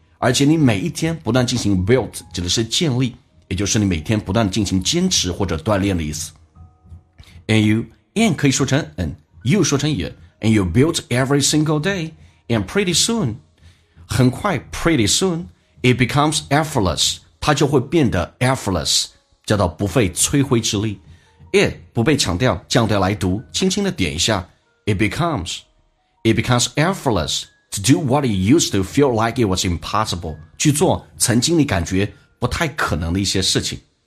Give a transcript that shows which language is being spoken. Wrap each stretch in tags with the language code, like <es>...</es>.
<zh>而且你每一天不断进行 build, 指的是建立，也就是你每天不断进行坚持或者锻炼的意思。</zh> <en>And you, and</en> <zh>可以说成</zh> <en>and, you</en> <zh>说成</zh> <en>you, and you build every single day, and pretty soon,</en> <zh>很快</zh> <en>pretty soon, it becomes effortless,</en> <zh>它就会变得</zh> <en>effortless,</en> <zh>叫做不费吹灰之力。</zh> <en>It,</en> <zh>不被强调，降调来读，轻轻的点一下，</zh> <en>it becomes effortless,To do what you used to feel like it was impossible.</en> <zh>去做曾经你感觉不太可能的一些事情。</zh>